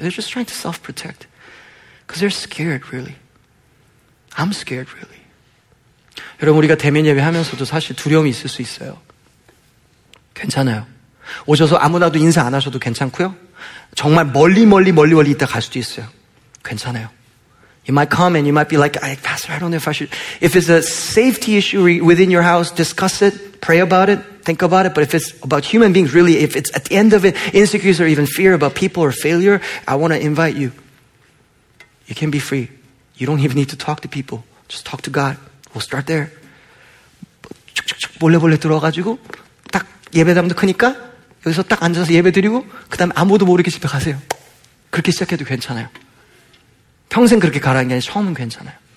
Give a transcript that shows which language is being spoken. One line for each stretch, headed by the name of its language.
English: They're just trying to self-protect. Because they're scared, really. I'm scared, really.
Korean: 여러분, 우리가 대면 예배하면서도 사실 두려움이 있을 수 있어요. 괜찮아요. 오셔서 아무나도 인사 안 하셔도 괜찮고요. 정말 멀리 있다 갈 수도 있어요. 괜찮아요.
English: You might come and you might be like, Pastor, I don't know if I should. If it's a safety issue within your house, discuss it, pray about it, think about it. But if it's about human beings, really, if it's at the end of it, insecurities or even fear about people or failure, I want to invite you. You can be free. You don't even need to talk to people. Just talk to God. We'll start there.
Korean: 쭉쭉쭉 몰래 들어와가지고 딱 예배당도 크니까 여기서 딱 앉아서 예배 드리고 그 다음에 아무도 모르게 집에 가세요. 그렇게 시작해도 괜찮아요. 평생 그렇게 가라는 게 아니라 처음은 괜찮아요.